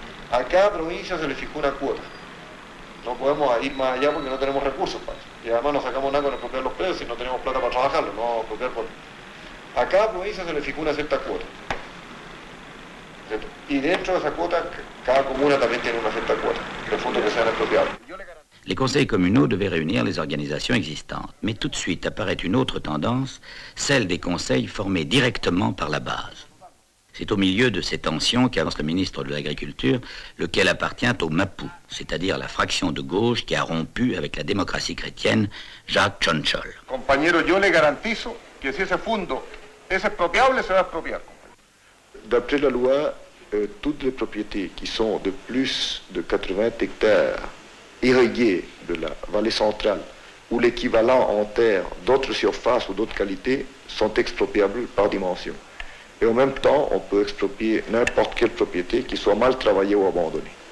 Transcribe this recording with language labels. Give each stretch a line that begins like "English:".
Spanish: A cada provincia se le fijó una cuota. No podemos ir más allá porque no tenemos recursos para eso. Y además no sacamos nada con expropiar los predios si no tenemos plata para trabajarlos, no expropiar por... A cada provincia se le fijó una cierta cuota. ¿Cierto? Y dentro de esa cuota, cada comuna también tiene una cierta cuota de fondos que sean expropiados.
French: Les conseils communaux devaient réunir les organisations existantes, mais tout de suite apparaît une autre tendance, celle des conseils formés directement par la base. C'est au milieu de ces tensions qu'avance le ministre de l'Agriculture, lequel appartient au MAPU, c'est-à-dire la fraction de gauche qui a rompu avec la démocratie chrétienne, Jacques Chonchol.
Spanish: Compañero, yo le garantizo que si ese fondo es expropiable, se va a expropiar.
French: D'après la loi, toutes les propriétés qui sont de plus de 80 hectares irriguées de la vallée centrale ou l'équivalent en terre d'autres surfaces ou d'autres qualités sont expropriables par dimension. Et en même temps, on peut exproprier n'importe quelle propriété qui soit mal travaillée ou abandonnée.